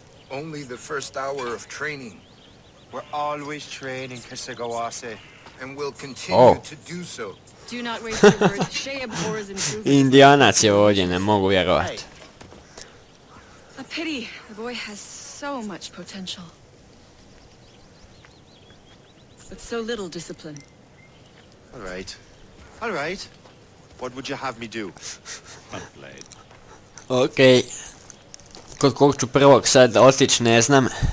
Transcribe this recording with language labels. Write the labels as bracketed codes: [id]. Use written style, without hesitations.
[en] Only the first hour of training. We're always training, Kisagawase. And we'll continue to do so. Do not waste your words. Shea abhors improvement. [hr] Indianac je ovdje, ne mogu vjerovat. [en] A pity. The boy has so much potential. But so little discipline. All right. All right. What would you have me do? [hr] Okay. Kod kog ću prvog sad otić, ne znam.